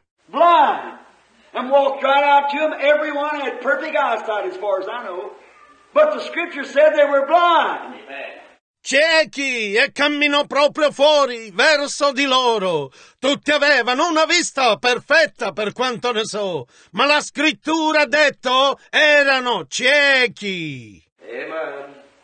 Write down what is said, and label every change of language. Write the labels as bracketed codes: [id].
[en] Blind. And walked right out to him. Everyone had perfect eyesight as far as I know. But the scripture said they were blind. Amen. [it] Ciechi, e camminò proprio fuori, verso di loro. Tutti avevano una vista perfetta, per quanto ne so. Ma la scrittura ha detto, erano ciechi. Amen.